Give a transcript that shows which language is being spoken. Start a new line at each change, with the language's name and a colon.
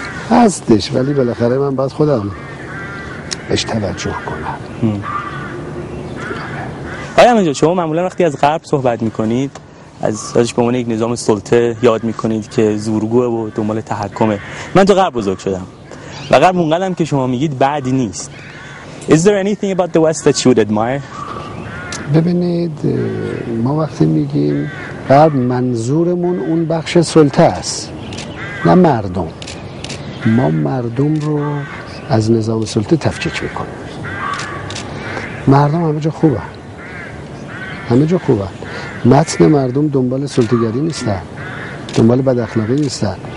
Persian: هستش، ولی بالاخره من باید خودم بهش توجه کنم. آقای احمدی نژاد، شما معمولا وقتی از غرب صحبت میکنید، ازش به عنوان یک نظام سلطه یاد میکنید که زورگوه و دنبال تحکمه. من تو غرب بزرگ شدم و غرب اونقدر هم که شما میگید بد نیست.
English: Is there anything about the West that you would admire?
Persian: ببینید، ما وقتی میگیم غرب، منظورمون اون بخش سلطه است، نه مردم. ما مردم رو از نظام سلطه تفکیک میکنیم. مردم همه جا خوبه، همه جا خوبه. متن مردم دنبال سلطه‌گری نیستن، دنبال بد اخلاقی نیستن.